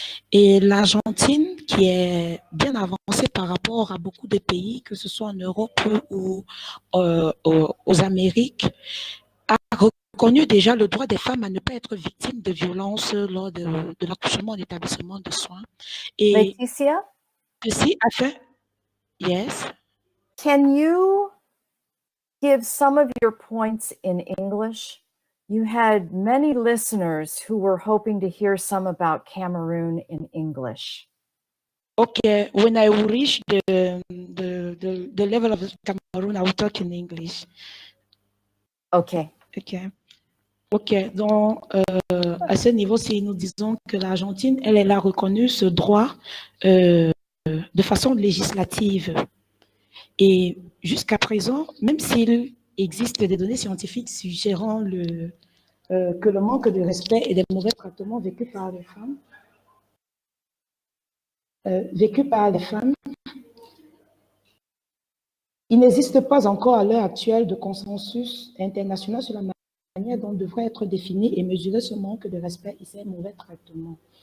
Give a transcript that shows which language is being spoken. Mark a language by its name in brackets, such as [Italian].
[French] Et l'Argentine, qui est bien avancée par rapport à beaucoup de pays, que ce soit en Europe ou aux Amériques, a reconnu déjà le droit des femmes à ne pas être victimes de violences lors de l'accouchement en établissement de soins. Et Laetitia? Si, enfin. [English] Yes. Can you give some of your points in English? You had many listeners who were hoping to hear some about Cameroon in English. Okay, when I reach the level of Cameroon, I will talk in English. Okay. [French] Donc, à ce niveau, si nous disons que l'Argentine, elle a reconnu ce droit de façon législative. Et jusqu'à présent, même s'il existe des données scientifiques suggérant que le manque de respect et des mauvais traitements vécus par les femmes, il n'existe pas encore à l'heure actuelle de consensus international sur la manière dont devrait être défini et mesuré ce manque de respect et ces mauvais traitements.